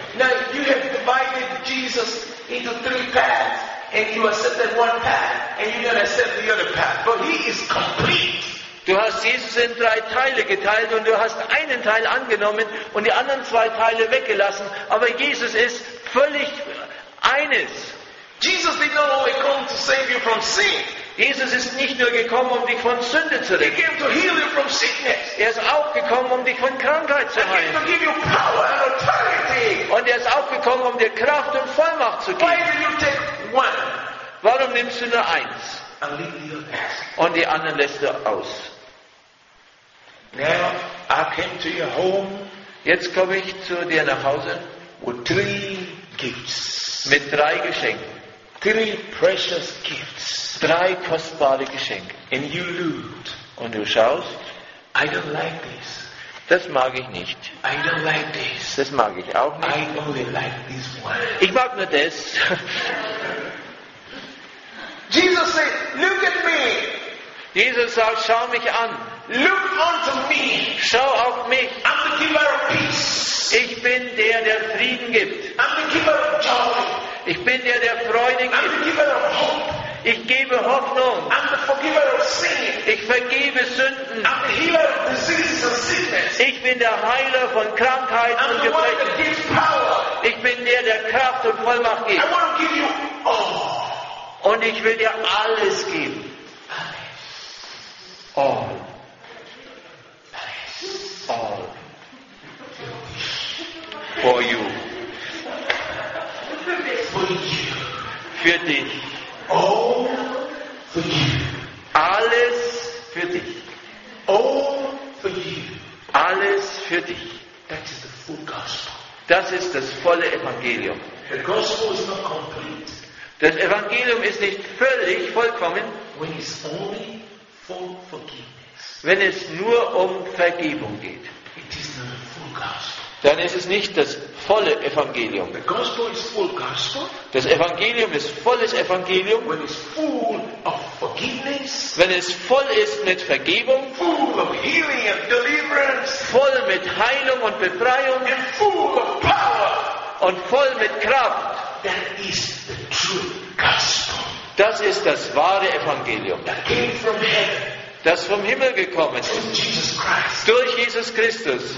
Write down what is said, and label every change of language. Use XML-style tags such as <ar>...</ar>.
<en>Now, you have divided Jesus into three paths, and you accepted one path, and you're going to accept the other path. But he is complete.</en> <de>Du hast Jesus in drei Teile geteilt und du hast einen Teil angenommen und die anderen zwei Teile weggelassen. Aber Jesus ist völlig eines.</de> <en>Jesus did not only come to save you from sin.</en> <de>Jesus ist nicht nur gekommen, um dich von Sünde zu retten.</de> <en>He came to heal you from sickness.</en> <de>Er ist auch gekommen, um dich von Krankheit zu heilen.</de> <en>He came to give you power and authority.</en> <de>Und er ist auch gekommen, um dir Kraft und Vollmacht zu geben.</de> <en>Why did you take one?</en> <de>Warum nimmst du nur eins?</de> <en>And leave the</en> <de>und die anderen lässt er aus.</de> <en>Now, I came to your home.</en> <de>Jetzt komme ich zu dir nach Hause.</de> <en>With three gifts.</en> <de>Mit drei Geschenken.</de> <en>Three precious gifts.</en> <de>Drei kostbare Geschenke.</de> <en>And you looked.</en> <de>Und du schaust.</de> <en>I don't like this.</en> <de>Das mag ich nicht.</de> <en>I don't like this.</en> <de>Das mag ich auch nicht.</de> <en>I only like this one.</en> <de>Ich mag nur das.</de> <en>Jesus said, "Look at me."</en> <de>Jesus sagt, schau mich an.</de> <en>Look unto me.</en> <de>Schau auf mich.</de> <en>I'm the giver of peace.</en> <de>Ich bin der, der Frieden gibt.</de> <en>I'm the giver of joy.</en> <de>Ich bin der, der Freude gibt.</de> <en>I'm the giver of hope.</en> <de>Ich gebe Hoffnung.</de> <en>I'm the forgiver of sin.</en> <de>Ich vergebe Sünden.</de> <en>I'm the healer of diseases and sickness.</en> <de>Ich bin der Heiler von Krankheiten und Gebrechen.</de> <en>I'm the one that gives power.</en> <de>Ich bin der, der Kraft und Vollmacht gibt.</de> <en>I want to give you all.</en> <de>Und ich will dir alles geben. Alles.</de> <en>All.</en> <de>Alles.</de> <en>All. For you.</en> <de>dich.</de> <en>All for you.</en> <de>Alles für dich.</de> <en>All for you.</en> <de>Alles für dich.</de> <en>That is the full gospel.</en> <de>Das ist das volle Evangelium.</de> <en>The gospel is not complete.</en> <de>Das Evangelium ist nicht völlig vollkommen,</de> <en>when it's only for forgiveness.</en> <de>Wenn es nur um Vergebung geht.</de> <en>It is the full gospel.</en> <de>Dann ist es nicht das volle Evangelium.</de> <en>The gospel is full gospel.</en> <de>Das Evangelium ist volles Evangelium.</de> <en>When it's full of forgiveness.</en> <de>Wenn es voll ist mit Vergebung.</de> <en>Full of healing and deliverance.</en> <de>Voll mit Heilung und Befreiung.</de> <en>And full of power.</en> <de>Und voll mit Kraft.</de> <en>That is the true gospel.</en> <de>Das ist das wahre Evangelium.</de> <en>That came from heaven.</en> <de>Das vom Himmel gekommen ist.</de> <en>Through Jesus Christ.</en> <de>Durch Jesus Christus.</de>